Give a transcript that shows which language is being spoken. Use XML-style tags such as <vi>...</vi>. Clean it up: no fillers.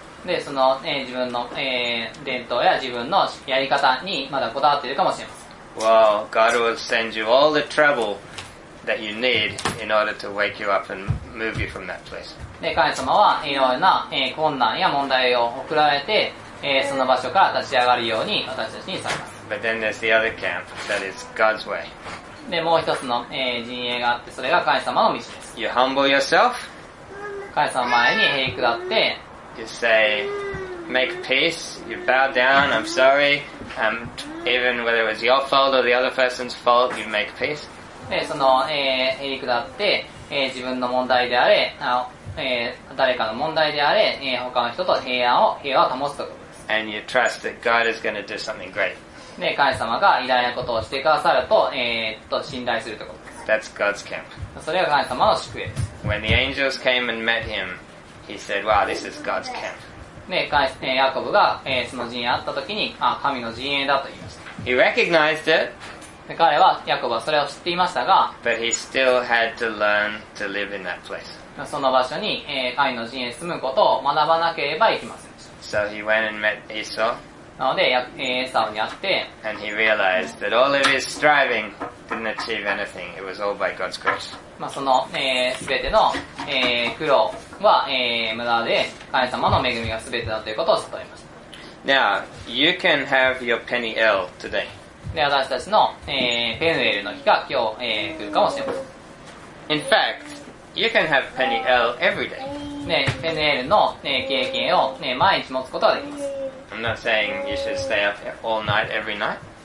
<ja>で、その、自分の、伝統や自分のやり方にまだこだわっているかもしれません。</ja> <en>Well, God will send you all the trouble that you need in order to wake you up and move you from that place.</en> <ja>で、神様は、いろいろな、困難や問題を送られて、その場所から立ち上がるように私たちにされます。</ja> <en>But then there's the other camp that is God's way.</en> <ja>で、もう一つの、陣営があって、それが神様の道です。</ja> <en>You humble yourself.</en> <ja>神様前に平気だって、</ja> <en>You say, make peace, you bow down, I'm sorry, even whether it was your fault or the other person's fault, you make peace.</en> <ja>で、その、へりくだって、自分の問題であれ、誰かの問題であれ、他の人と平和を保つところです。</ja> <en>And you trust that God is going to do something great.</en> <ja>で、神様が偉大なことをしてくださると、信頼するところです。</ja> <en>That's God's camp.</en> <ja>それが神様の宿営です。</ja> <en>When the angels came and met him,He said, wow, this is God's camp.</en> <ja>ヤコブが、その陣営に会った時に、あ、神の陣営だと言いました。</ja> <en>He recognized it.</en> <ja>彼は、ヤコブはそれを知っていましたが、</ja> <en>But he still had to learn to live in that place.</en> <ja>その場所に、神の陣営に住むことを学ばなければいけませんでした。</ja> <en>So he went and met Esau.</en> <ja>なので、エサウに会って、</ja> <en>And he realized that all of his striving didn't achieve anything. It was all by God's grace.</en> <ja>まあ、その、すべての、苦労、は、無駄で神様の恵みが全てだということを悟りました。</ja> <en>Now, you can have your penny L today.</en> <ja>で、私たちの、ペヌエルの日が今日、来るかもしれません。</ja> <en>In fact, you can have penny L every day.</en> <ja>で、ペヌエルの、経験を、毎日持つことができます。</ja> <en>I'm not saying you should stay up all night every night.</en>